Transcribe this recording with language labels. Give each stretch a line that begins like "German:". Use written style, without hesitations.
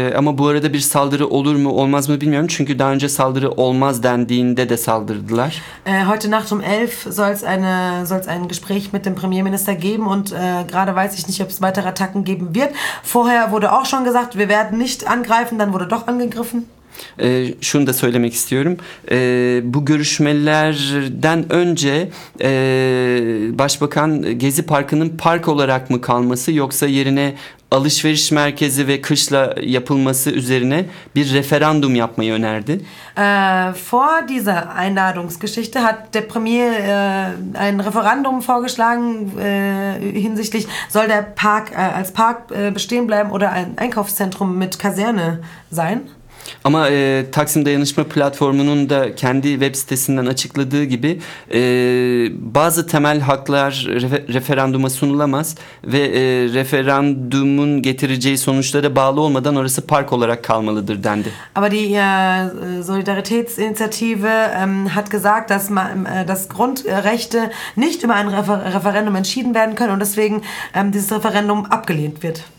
Turkish: Ama bu arada bir saldırı olur mu olmaz mı bilmiyorum. Çünkü daha önce saldırı olmaz dendiğinde de saldırdılar.
German: Heute Nacht um 11 soll es ein Gespräch mit dem Premierminister geben und gerade weiß ich nicht, ob es weitere Attacken geben wird. Vorher wurde auch schon gesagt, wir werden nicht angreifen, dann wurde doch angegriffen.
Turkish: Şunu da söylemek istiyorum. Bu görüşmelerden önce Başbakan Gezi Parkı'nın park olarak mı kalması yoksa yerine alışveriş merkezi ve kışla yapılması üzerine bir referandum yapmayı önerdi.
German: Vor dieser Einladungsgeschichte hat der Premier ein Referendum vorgeschlagen hinsichtlich soll der Park als Park bestehen bleiben oder ein Einkaufszentrum mit Kaserne sein?
Turkish: Ama Taksim Dayanışma Platformu'nun da kendi web sitesinden açıkladığı gibi bazı temel haklar referanduma sunulamaz ve referandumun getireceği sonuçlara bağlı olmadan orası park olarak kalmalıdır dendi.
German: Aber die Solidaritätsinitiative hat gesagt, dass das Grundrechte nicht über ein Referendum entschieden werden können und deswegen dieses Referendum abgelehnt wird.